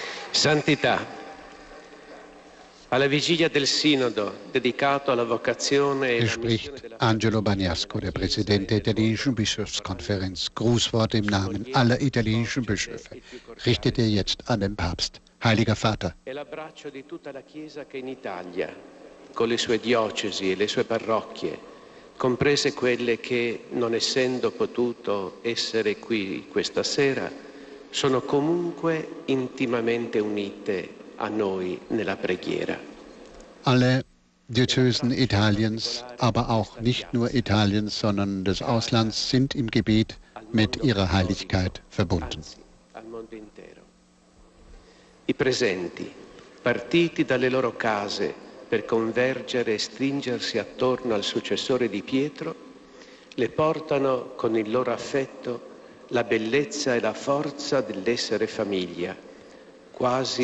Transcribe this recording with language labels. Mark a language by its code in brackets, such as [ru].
[it] Santità, alla vigilia del Sinodo dedicato alla vocazione. [de] Er spricht Angelo Bagnasco, der Präsident der italienischen Bischofskonferenz. Grußwort im Namen aller italienischen Bischöfe. Richtet er jetzt an den Papst. Heiliger Vater. [it] E l'abbraccio di tutta la Chiesa che in Italia, con le sue diocesi e le sue parrocchie, comprese quelle che, non essendo potuto essere qui questa sera, sono comunque intimamente unite a noi nella preghiera. [de] Alle Diözesen Italiens, aber auch nicht nur Italiens, sondern des Auslands, sind im Gebet mit ihrer Heiligkeit verbunden. [it] Al mondo intero. I presenti, partiti dalle loro case per convergere e stringersi attorno al successore di Pietro, le portano con il loro affetto la bellezza e la forza dell'essere famiglia, quasi.